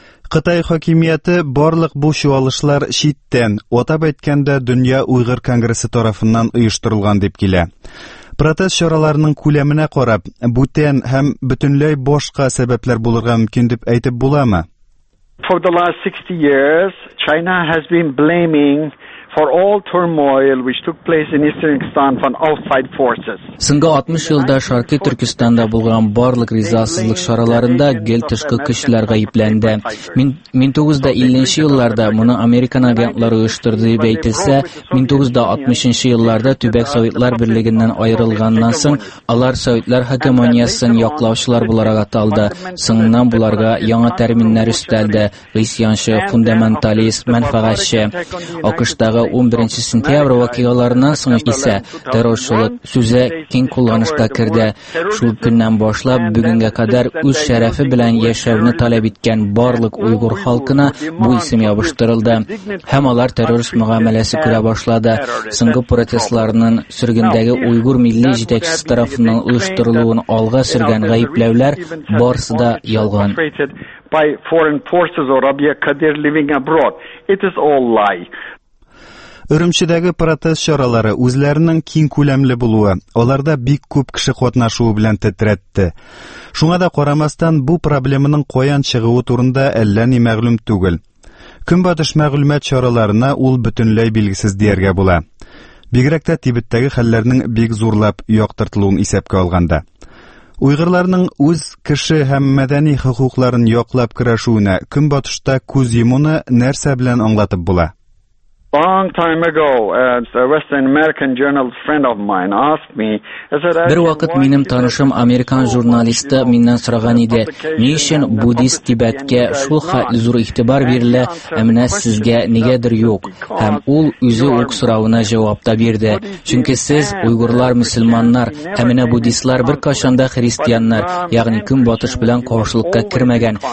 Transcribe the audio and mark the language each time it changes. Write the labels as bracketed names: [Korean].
[Tatar] Кытай хакимияте барлык бу чуалышлар читтән, атап әйткәндә, дөнья уйгыр конгрессы тарафыннан оештырылган дип килә. Протест чараларының күләменә карап, бүтән һәм бөтенләй башка сәбәпләр булырга мөмкин дип әйтеп буламы? [English] For the last 60 years, China has been blaming for all turmoil which took place in Eastern from outside forces. [Tatar] Соңгы 60 елда Шарқи Түркістанда булган барлык ризасызлык шараларында гел тышкы көчләр гаепләнде. 1950 елларда моны Американ агентлары оештырды дип әйтелсә, 1960 елларда Төбәк Советлар Берлегеннән аерылганнан соң алар Советлар хегемониясын яклаучылар буларак аталды. Соңыннан буларга яңа терминнәр өстәлде: исянчы, фундаменталист, мәнфәгатьче. Акышта 11 сентябр вакыйгаларыннан соң исә террорчылык сүзе киң кулланышка керде. Шул көннән башлап бүгенгә кадәр үз шәрәфе белән яшәүне таләп иткән барлык уйгур халкына бу исем ябыштырылды. Һәм алар террорист мөгамәләсе күрә башлады. Соңгы протестларның сүргендәге уйгур милли җитәкчесе тарафыннан оештырылуын алга сөргән гаепләүләр барысы да ялган. [English] By foreign forces or Abiy Kadir living abroad. It is all lie. [Tatar] Үрүмчидәге протест чаралары үзләренең киң күләмле булуы, аларда бик күп кеше катнашуы белән тетрәтте. Шуңа да карамастан, бу проблеманың каян чыгуы турында әллә ни мәгълүм түгел. Көнбатыш мәгълүмәт чараларына ул бөтенләй билгесез дияргә була. Бигрәк тә Тибеттәге хәлләрнең бик зурлап яктыртылуын исәпкә алганда. Уйгырларның үз кеше һәм мәдәни хукукларын яклап көрәшүенә Көнбатышта күз йомуны нәрсә белән аңлатып була? [English] Long time ago, a Western American journalist friend of mine asked me, [Tatar] Бер вакыт минем танышым американ журналисты миннән сораган иде. Ни өчен буддист Тибеткә шул хәтле зур игътибар бирелә, ә менә сезгә нигәдер юк? Һәм ул үзе үк соравына җавап та бирде. Чөнки сез уйгырлар мусламаннар, ә менә буддистлар беркайчан да христианнар, ягъни көнбатыш белән каршылыкка кермәгән.